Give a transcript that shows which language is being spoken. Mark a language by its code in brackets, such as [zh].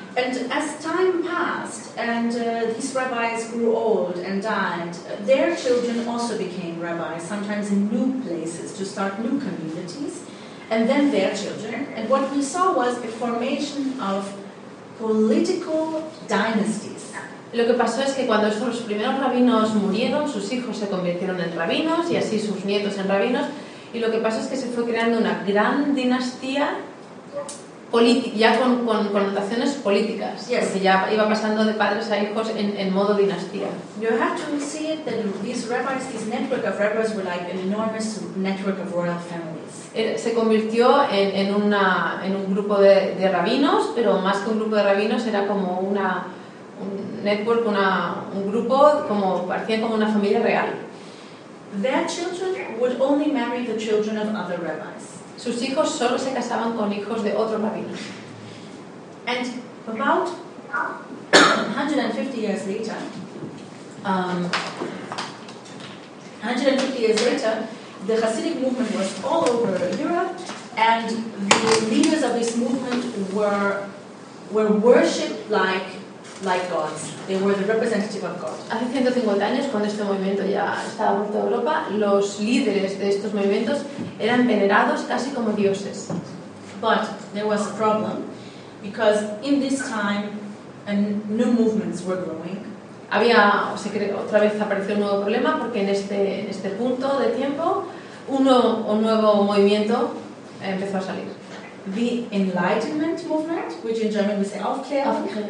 [en] And as time passed, and these rabbis grew old and died, their children also became rabbis, sometimes in new places, to start new communities, and then their children. And what we saw was the formation of political dynasties. [es] Lo que pasó es que cuando los primeros rabinos murieron, sus hijos se convirtieron en rabinos, y así sus nietos en rabinos, y lo que pasó es que se fue creando una gran dinastía ya con connotaciones políticas. [en] Yes. [es] Porque ya iba pasando de padres a hijos en modo dinastía. [en] You have to see it that these rabbis, this network of rabbis, were like an enormous network of royal families. [es] Se convirtió en un grupo de rabinos, pero más que un grupo de rabinos era como un grupo como parecía como una familia real. [en] Their children would only marry the children of other rabbis. [es] Sus hijos solo se casaban con hijos de otro rabino. [en] And about 150 years later, 150 years later, the Hasidic movement was all over Europe, and the leaders of this movement were worshipped like gods. They were the representative of God. [es] Hace 150 años, cuando este movimiento ya estaba por toda Europa, los líderes de estos movimientos eran venerados casi como dioses. [en] But there was a problem, because in this time, new movements were growing. [es] Había, o sea, otra vez apareció un nuevo problema, porque en este punto de tiempo, un nuevo movimiento empezó a salir. [en] the Enlightenment movement, which in German we say Aufklärung.